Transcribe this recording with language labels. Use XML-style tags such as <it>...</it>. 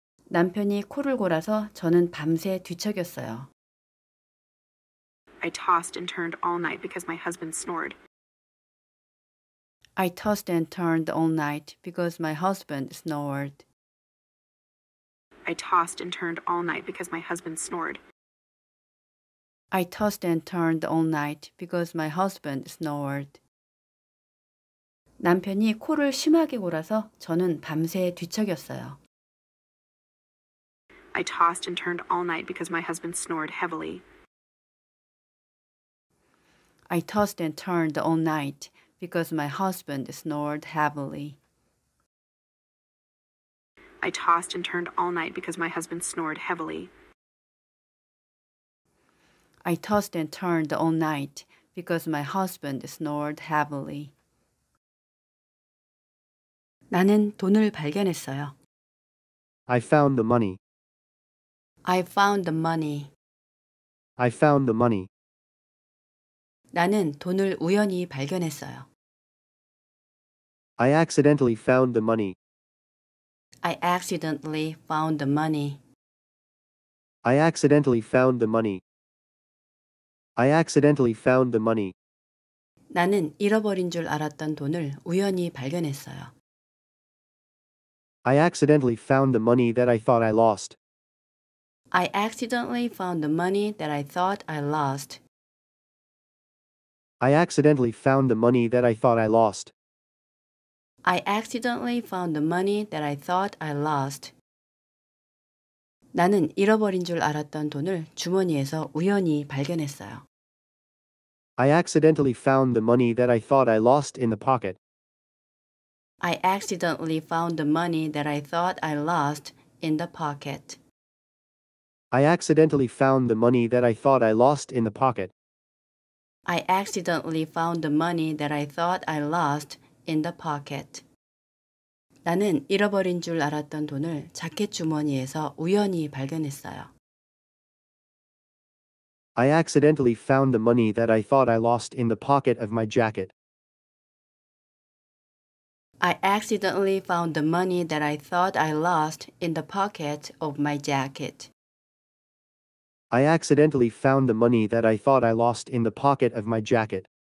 <ko>남편이 코를 골아서 저는 밤새 뒤척였어요.</ko> <en>I tossed and turned all night because my husband snored. I tossed and turned all night because my husband snored.</en> <ko>남편이 코를 심하게 골아서 저는 밤새 뒤척였어요.</ko> <en>I tossed and turned all night because my husband snored heavily. I tossed and turned all night because my husband snored heavily. I tossed and turned all night because my husband snored heavily. I tossed and turned all night because my husband snored heavily.</en> <ko>나는 돈을 발견했어요.</ko> <en>I found the money. I found the money. I found the money.</en> <ko>나는 돈을 우연히 발견했어요.</ko> <en>I accidentally found the money. I accidentally found the money. I accidentally found the money. I accidentally found the money.</en> <ko>나는 잃어버린 줄 알았던 돈을 우연히 발견했어요.</ko> <en>I accidentally found the money that I thought I lost. I accidentally found the money that I thought I lost. I accidentally found the money that I thought I lost. I accidentally found the money that I thought I lost.</en> <ko>나는 잃어버린 줄 알았던 돈을 주머니에서 우연히 발견했어요.</ko> <en>I accidentally found the money that I thought I lost in the pocket. I accidentally found the money that I thought I lost in the pocket. I accidentally found the money that I thought I lost in the pocket. I accidentally found the money that I thought I lost in the pocket.</en> <ko>나는 잃어버린 줄 알았던 돈을 자켓 주머니에서 우연히 발견했어요.</ko> <en>I accidentally found the money that I thought I lost in the pocket of my jacket. I accidentally found the money that I thought I lost in the pocket of my jacket. I accidentally found the money that I thought I lost in the pocket of my jacket.</en>